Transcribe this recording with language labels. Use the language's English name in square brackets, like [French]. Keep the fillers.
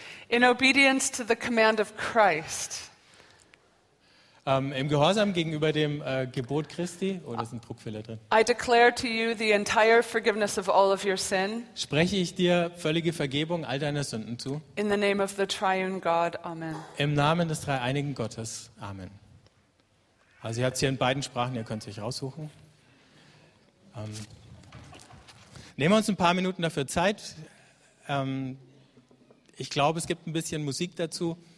[English] in obedience to the command of Christ. [German] Ähm, Im Gehorsam gegenüber dem äh, Gebot Christi, oder oh, sind ist drin? [English] I declare to you the entire forgiveness of all of your sin. [German] Spreche ich dir völlige Vergebung all deiner Sünden zu? [English] In the name of the Triune God, Amen. [German] Im Namen des Dreieinigen Gottes, Amen. Also ihr habt hier in beiden Sprachen, ihr könnt es euch raussuchen. Ähm. nehmen wir uns ein paar Minuten dafür Zeit. Ähm, ich glaube, es gibt ein bisschen Musik dazu.